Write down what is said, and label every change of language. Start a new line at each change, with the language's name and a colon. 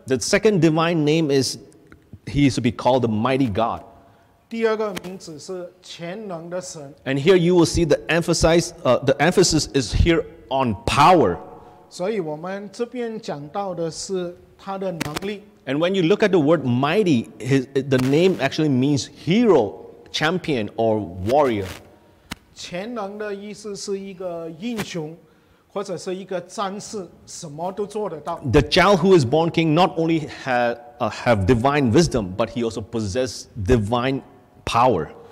English: The second divine name is he is to be called the Mighty God.
Chinese: 第二个名字是全能的神。
English: And here you will see the emphasis is here on power.
Chinese: 所以我们这边讲到的是他的能力。
English: And when you look at the word mighty, the name actually means hero, champion, or warrior.
Chinese: 全能的意思是一个英雄，或者是一个战士，什么都做得到。
English: The child who is born king not only have divine wisdom, but he also possess divine power.